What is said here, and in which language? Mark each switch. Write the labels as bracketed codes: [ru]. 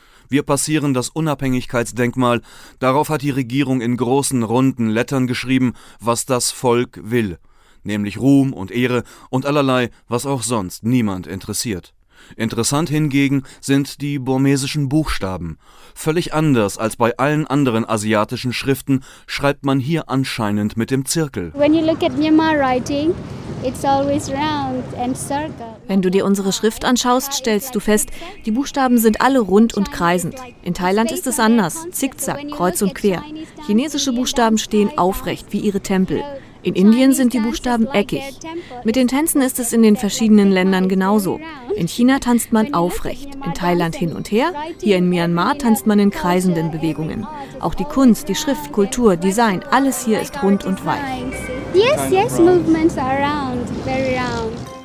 [de] Wir passieren das Unabhängigkeitsdenkmal. Darauf hat die Regierung in großen, runden Lettern geschrieben, was das Volk will. Nämlich Ruhm und Ehre und allerlei, was auch sonst niemand interessiert. Interessant hingegen sind die burmesischen Buchstaben. Völlig anders als bei allen anderen asiatischen Schriften schreibt man hier anscheinend mit dem Zirkel. [en] When you look at Myanmar writing, it's always round and circle. [de] Wenn du dir unsere Schrift anschaust, stellst du fest, die Buchstaben sind alle rund und kreisend. In Thailand ist es anders, zickzack, kreuz und quer. Chinesische Buchstaben stehen aufrecht, wie ihre Tempel. In Indien sind die Buchstaben eckig. Mit den Tänzen ist es in den verschiedenen Ländern genauso. In China tanzt man aufrecht, in Thailand hin und her, hier in Myanmar tanzt man in kreisenden Bewegungen. Auch die Kunst, die Schrift, Kultur, Design, alles hier ist rund und weich. [en] Yes, yes, movements are round, very round.